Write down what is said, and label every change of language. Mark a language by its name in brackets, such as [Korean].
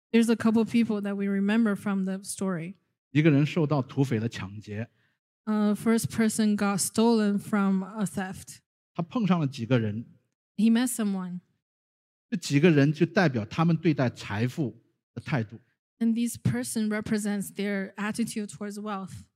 [English] There's a couple of people that we remember from the story. [Chinese] 一个人受到土匪的抢劫。 [English] First person got stolen from a theft. [Chinese] 他碰上了几个人。 [English] He met someone. [Chinese] 这几个人就代表他们对待财富的态度。 [English] And this person represents their attitude towards wealth.